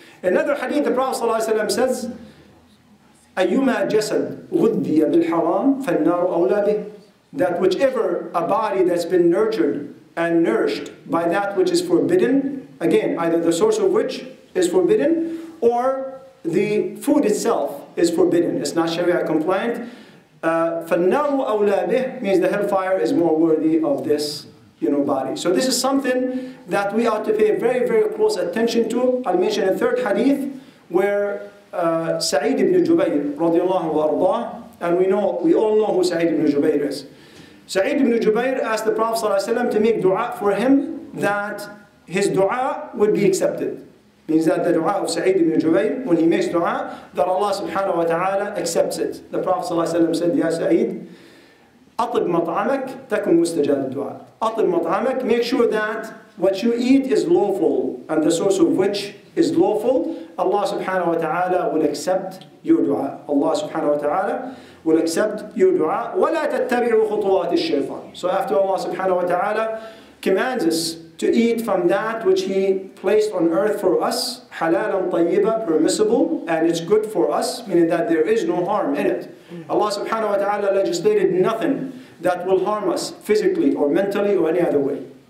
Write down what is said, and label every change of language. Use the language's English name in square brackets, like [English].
[English] Another hadith, the Prophet صلى الله عليه وسلم says, [Arabic] أَيُّمَا جَسَدْ غُدِّيَ بِالْحَرَامِ فَالنَّارُ أَوْلَى بِهِ. [English] That whichever a body that's been nurtured and nourished by that which is forbidden, again, either the source of which is forbidden or the food itself is forbidden, it's not sharia compliant, [Arabic] فَالنَّارُ أَوْلَى بِهِ [English] means the hellfire is more worthy of this, you know, body. So this is something that we ought to pay very, very close attention to. I'll mention a third hadith where Sa'id ibn Jubayr رضي الله عنه, and we all know who Sa'id ibn Jubayr is. Sa'id ibn Jubayr asked the Prophet ﷺ to make dua for him that his dua would be accepted. Means that the dua of Sa'id ibn Jubayr, when he makes dua, that Allah subhanahu wa ta'ala accepts it. The Prophet ﷺ said, [Arabic] Ya Sa'id, أطب مطعمك تكون مستجاب الدعاء. أطب مطعمك, [English] make sure that what you eat is lawful and the source of which is lawful, Allah subhanahu wa ta'ala will accept your dua. Allah subhanahu wa ta'ala will accept your dua. [Arabic] ولا تتبعوا خطوات الشيطان. [English] So after Allah subhanahu wa ta'ala commands us to eat from that which He placed on earth for us, [Arabic] حلالا طيبا, [English] permissible, and it's good for us, meaning that there is no harm in it. Allah subhanahu wa ta'ala legislated nothing that will harm us physically or mentally or any other way.